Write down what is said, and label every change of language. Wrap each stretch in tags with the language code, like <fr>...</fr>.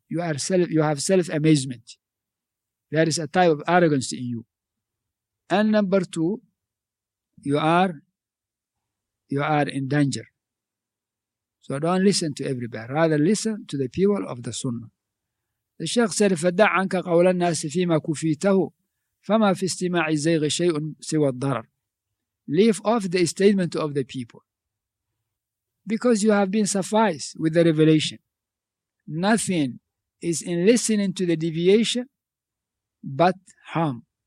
<en>You have self-amazement. There is a type of arrogance in you. And number two, you are in danger. So don't listen to everybody. Rather listen to the people of the Sunnah. The Sheikh said,</en> <ar>فَدَّعْ عَنْكَ قَوْلَ النَّاسِ فِي مَا كُفِيتَهُ فَمَا فِي اسْتِمَاعِ الزَّيْغِ شَيْءٌ سِوَى الضَّرَرْ.</ar> <en>Leave off the statement of the people. Because you have been sufficed with the revelation. Nothing is in listening to the deviation but harm.</en>